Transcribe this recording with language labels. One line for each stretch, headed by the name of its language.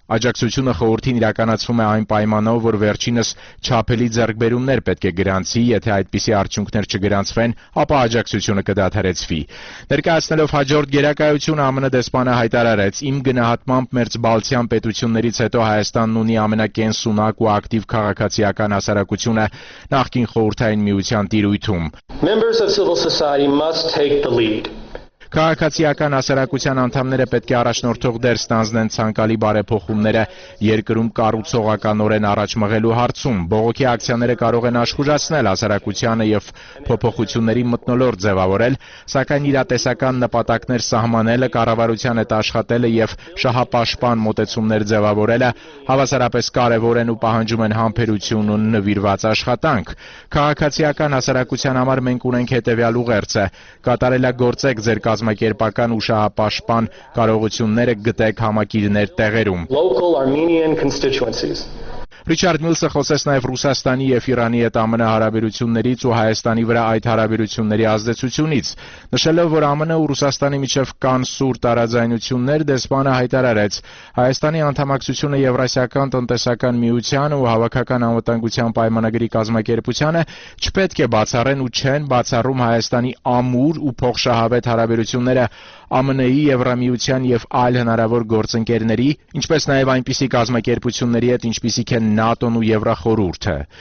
Armenian: աջակցությունը խորհրդին իրականացվում է այն պայմանով, որ վերջինս չափելի ձեռքբերումներ պետք է գրանցի, եթե այդպիսի արդյունքներ չգրանցվեն, ապա աջակցությունը կդադարեցվի։ Ներկայացնելով հաջորդ գերակայություն, ԱՄՆ դեսպանը հայտարարեց. «Իմ գնահատմամբ մերձ Բալթյան պետություններից հետո Հայաստանն ունի ամենակենսուն ակու ակտիվ քաղաքացիական հասարակությունը նախկին խորհրդային միության տիրույթում»։
English: Members of civil society must take the lead.
Armenian: Քաղաքացիական հասարակության անդամները պետք է առաջնորդող դեր ստանձնեն ցանկալի բարեփոխումները երկրում կառուցողականորեն առաջմղելու հարցում։ Բողոքի ակցիաները կարող են աշխուժացնել հասարակությանը եւ փոփոխությունների մտնոլորտ ձևավորել, սակայն իրատեսական նպատակներ սահմանելը, կառավարության հետ աշխատելը եւ շահապաշտպան մոտեցումներ ձևավորելը հավասարապես կարեւոր են ու պահանջում են համբերություն ու նվիրված աշխատանք։ Քաղաքացիական հասարակության համար մենք ունենք հետեւյալ ուղերձը. կատարելա գործեք ձեր կազմակերպական ու շահապաշտպան կարողությունները գտեք համակիրներ տեղերում։
English: Local Armenian constituencies.
Armenian: Ռիչարդ Միլսը խոսեց նաև Ռուսաստանի եւ Իրանի հետ ԱՄՆ հարաբերություններից ու Հայաստանի վրա այդ հարաբերությունների ազդեցությունից։ Նշելով, որ ԱՄՆ ու Ռուսաստանի միջև կան սուր տարաձայնություններ, դեսպանը հայտարարեց. Հայաստանի անդամակցությունը Եվրասիական տնտեսական միությանը ու հավաքական անվտանգության պայմանագրի կազմակերպությանը չպետք է բացառեն ու չեն բացառում Հայաստանի ամուր ու փոխշահավետ հարաբերությունները ԱՄՆ-ի, Եվրամիության եւ այլ հնարավոր գործընկերների, ինչպես նաեւ այնպիսի կազմակերպությունների հետ, ինչպիսիք են ՆԱՏՕ-ն ու Եվրախորհուրդը։